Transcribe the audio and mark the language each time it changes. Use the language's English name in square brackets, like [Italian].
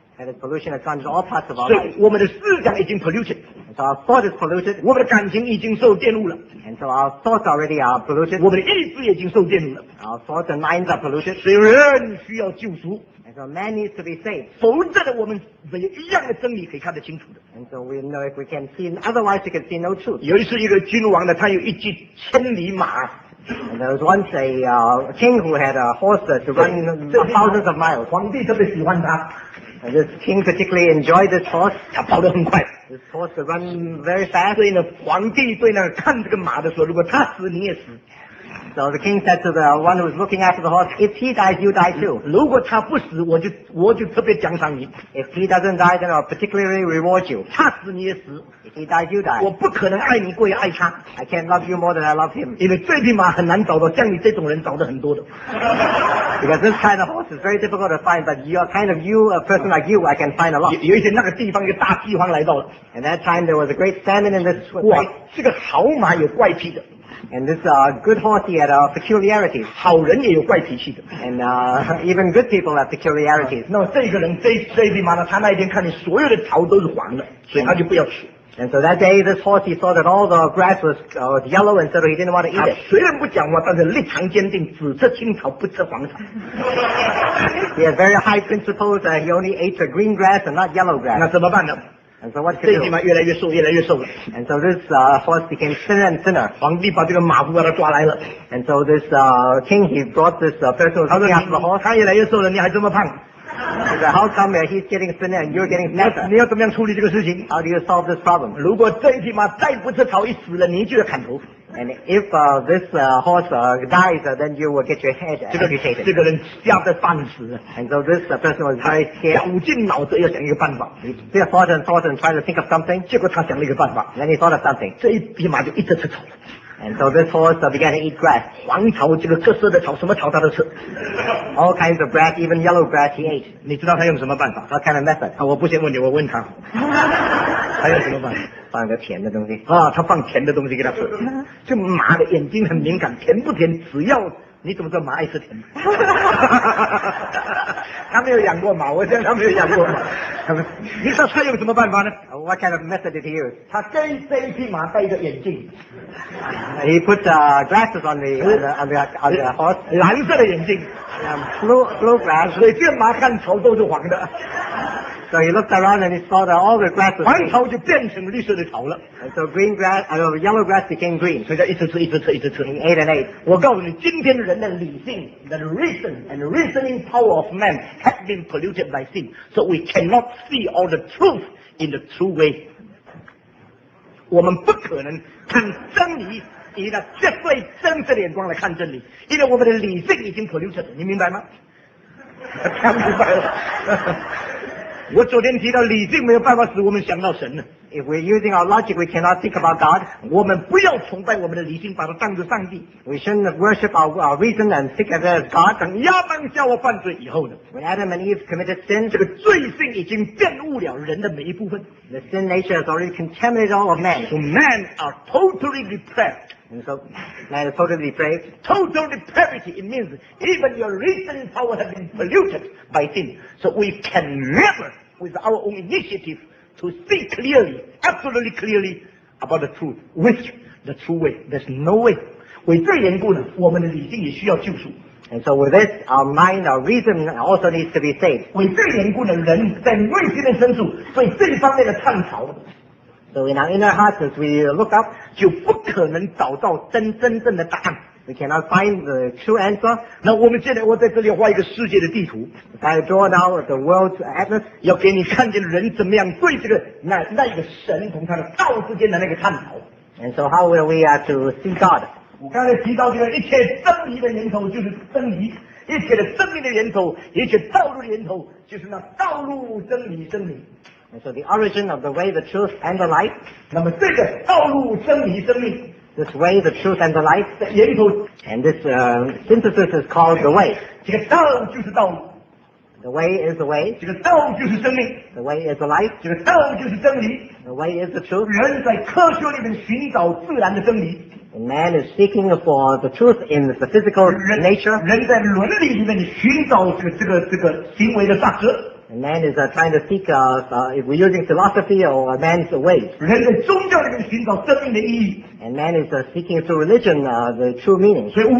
[English] And the pollution has gone into all parts of our [Chinese] life. 所以我们的思想已经 polluted. [English] And so our thought is polluted. [Chinese] 我们的感情已经受玷污了。 [English] And so our thoughts already are polluted. [Chinese] 我们的意识已经受玷污了。 [English] Our thoughts and minds are polluted. [Chinese] 所以人需要救赎。 [English] And so man needs to be saved. [Chinese] 否则的我们没有一样的真理可以看得清楚的。 [English] And so we know if we can see, otherwise we can see no truth. [Chinese] 有一次一个君王呢，他有一骑千里马。 [English] And there was once a king who had a horse to run thousands of miles. [Chinese] 皇帝特别喜欢他。 [English] And this king particularly enjoyed this horse. [Chinese] 他跑得很快。 [English] This horse would run very fast. [Chinese] 所以呢，皇帝对那看这个马的时候，如果他死，你也死。 [English] So the king said to the one who was looking after the horse, if he dies, you die too. [Chinese] 如果他不死，我就特别奖赏你。 [English] If he doesn't die, then I'll particularly reward you. [Chinese] 他死你也死。 [English] If he dies, you die. [Chinese] 我不可能爱你过于爱他。 [English] I can't love you more than I love him. [Chinese] 因为这匹马很难找到，像你这种人找得很多的。 [English] Because this kind of horse is very difficult to find, but you are kind of you, a person like you, I can find a lot. [Chinese] 有一天那个地方一个大饥荒来到了。 [English] And that time there was a great famine in this place. [Chinese] 哇，这个好马有怪癖的。 [English] And this good horse he had peculiarities. [Chinese] 好人也有怪脾气的。 [English] And even good people have peculiarities. [Chinese] 那么这个人这匹马呢，他那一天看见所有的草都是黄的，所以他就不要吃。 [English] And so that day, this horse he saw that all the grass was yellow, and so he didn't want to eat it. [Chinese] 他虽然不讲话，但是立场坚定，只吃青草不吃黄草。 [English] He had very high principles, and he only ate the green grass and not yellow grass. [Chinese] 那怎么办呢？ [English] And so what could do? [Chinese] 这匹马越来越瘦，越来越瘦。 [English] And so this horse became thinner and thinner. [Chinese] 皇帝把这个马夫把他抓来了。 [English] And so this king he brought this person to the horse. [Chinese] 他越来越瘦了，你还这么胖？ [English] So how come he's getting thinner and you're getting fatter? [Chinese] 你要怎么样处理这个事情？ [English] How do you solve this problem? [Chinese] 如果这匹马再不吃草一死了，你就要砍头。 [English] And if this horse dies, then you will get your head amputated. [Chinese] 这个人吓得半死。 [English] And so this person was very scared. [Chinese] 绞尽脑汁要想一个办法。 [English] He thought and thought and tried to think of something. [Chinese] 结果他想了一个办法。 [English] Then he thought of something. [Chinese] 这一匹马就一直吃草。 [English] And so this horse began to eat grass. [Chinese] 黄草，这个各色的草，什么草他都吃。 [English] All kinds of grass, even yellow grass, he ate. [Chinese] 你知道他用什么办法？ [English] What kind of method? [Chinese] 我不先问你，我问他。他用什么办法？放个甜的东西啊，他放甜的东西给他吃。这马的眼睛很敏感，甜不甜，只要你怎么知道马爱吃甜？他没有养过马，我想他没有养过马。你说他用什么办法呢 [English] ？What kind of method did he use？ [Chinese] 他给这一匹马戴一个眼镜。 [English] He put glasses on the horse。 [Chinese] 蓝色的眼镜。 [English] Blue glasses。 [Chinese] 所以这马看草都是黄的。 [English] So he looked around and he saw that all the grass was [Chinese] 黄草就变成绿色的草了。 [English] And so green grass, yellow grass became green. [Chinese] 所以他一直吃，一直吃，一直吃。 [English] He ate and ate. [Chinese] 我告诉你，今天人的理性 [English] the reason and reasoning power of man has been polluted by sin. So we cannot see all the truth in the true way. [Chinese] 我们不可能看真理以那绝对真实的眼光来看真理，因为我们的理性已经 polluted 了。你明白吗？他明白了。我昨天提到理性没有办法使我们想到神呢。 [English] If we're using our logic, we cannot think about God. [Chinese] 我们不要崇拜我们的理性，把它当作上帝。 [English] We shouldn't worship our reason and think of it as God. [Chinese] 等亚当夏娃犯罪以后呢 [English] ？When Adam and Eve committed sin, [Chinese] 这个罪性已经玷污了人的每一部分。 [English] The sin nature has already contaminated all of man. So man are totally depraved. And so man is totally depraved. Total depravity, it means even your reasoning power has been polluted by sin. So we can never. With our own initiative to see clearly, absolutely clearly about the truth, which the true way. There's no way. [Chinese] 为这缘故呢，我们的理性也需要救赎。 [English] And so with this, our mind, our reason also needs to be saved. [Chinese] 为这缘故呢，人在内心的深处对这方面的探讨。 [English] So in our inner hearts, as we look up, [Chinese] 就不可能找到真正的答案。 [English] We cannot find the true answer. [Chinese] 那我们现在我在这里画一个世界的地图。 [English] I draw now the world's atlas. [Chinese] 要给你看见人怎么样对这个那个神同他的道之间的那个探讨。 [English] And so how will we are to see God? [Chinese] 我刚才提到这个一切真理的源头就是真理，一切的生命的源头，一切道路的源头就是那道路真理真理。 [English] And so the origin of the way, the truth, and the life. [Chinese] 那么这个道路真理真理。 [English] This way, the truth, and the life. [Chinese] 源头 [English] And this synthesis is called the way. [Chinese] 这个道就是道路 [English] The way is the way. [Chinese] 这个道就是生命 [English] The way is the life. [Chinese] 这个道就是真理 [English] The way is the truth. [Chinese] 人在科学里面寻找自然的真理 [English] And man is seeking for the truth in the physical nature. [Chinese] 人在伦理里面寻找这个行为的法则 [English] And man is trying to seek, if we're using philosophy or man's ways. And man is seeking through religion the true meaning.